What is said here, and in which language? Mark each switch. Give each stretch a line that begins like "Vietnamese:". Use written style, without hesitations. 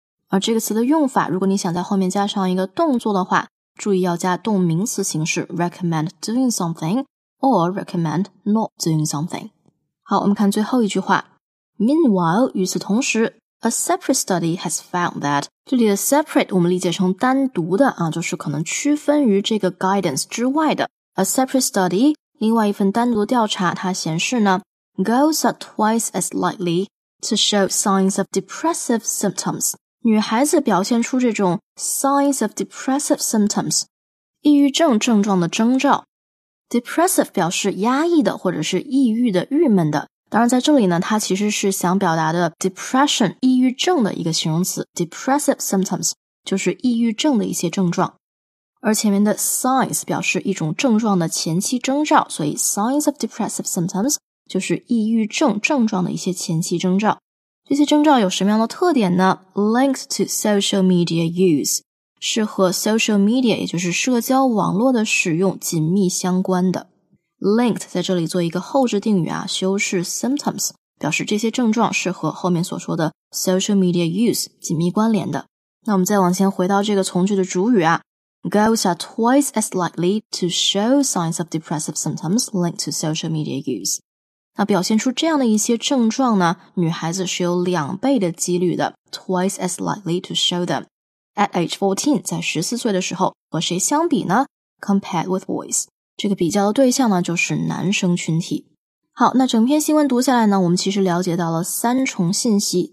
Chinese: 而这个词的用法，如果你想在后面加上一个动作的话，注意要加动名词形式 recommend doing something or recommend not doing something。好，我们看最后一句话， Meanwhile 与此同时 A separate study has found that，这里的 separate 我们理解成单独的啊，就是可能区分于这个 guidance 之外的。
English: A separate study 另外一份单独调查它显示呢， Girls are twice as likely to show signs of depressive symptoms，女孩子表现出这种 signs of depressive symptoms
Chinese: 抑郁症症状的征兆。 Depressive 表示压抑的或者是抑郁的郁闷的，当然在这里呢，它其实是想表达的 depression 抑郁症的一个形容词， depressive symptoms 就是抑郁症的一些症状。而前面的 signs 表示一种症状的前期征兆，所以 signs of depressive symptoms 就是抑郁症症状的一些前期征兆。这些征兆有什么样的特点呢？ Linked to social media use 是和 social media 也就是社交网络的使用紧密相关的。 Linked 在这里做一个后置定语啊，修饰 symptoms 表示这些症状是和后面所说的 social media use 紧密关联的。
English: 那我们再往前回到这个从句的主语啊， Girls are twice as likely to show signs of depressive symptoms linked to social media use。
Chinese: 那表现出这样的一些症状呢，女孩子是有两倍的几率的， twice as likely to show them. At age 14, 在14岁的时候，和谁相比呢？
English: Compared with boys.
Chinese: 这个比较的对象呢，就是男生群体。好，那整篇新闻读下来呢，我们其实了解到了三重信息。